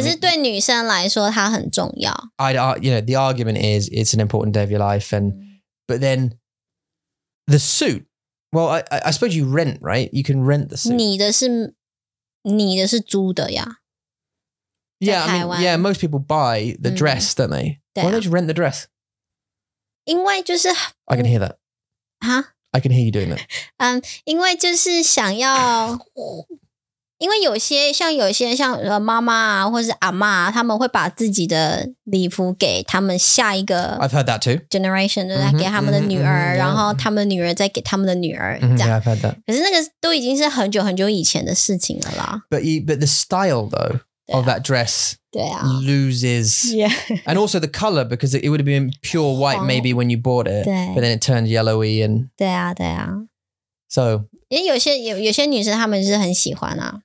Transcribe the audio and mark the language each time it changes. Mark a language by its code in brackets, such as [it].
[zh] 可是对女生来说它很重要。 [en] You know, the argument is it's an important day of your life. And, but then the suit, well, I suppose you rent, right? You can rent the suit. [zh] 你的是租的呀。 [en] Yeah, I mean, yeah, most people buy the dress, don't they? Why don't you rent the dress? [zh] 因为就是 [en] I can hear that. Huh? I can hear you doing that. [zh] 因为就是想要因为有些像妈妈啊或是阿妈啊他们会把自己的礼服给他们下一个 [en] I've heard that too. [zh] Generation, 就是给他们的女儿 mm-hmm, mm-hmm, 然后他们的女儿再给他们的女儿 mm-hmm, 这样 [en] Yeah, I've heard that. [zh] 可是那个都已经是很久很久以前的事情了啦 [en] But the style though,Of that dress loses. Yeah. And also the color, because it would have been pure white maybe when you bought it, but then it turned yellowy and. [zh] 对啊对啊 [en] So. [zh] 因为有些女生她们是很喜欢啊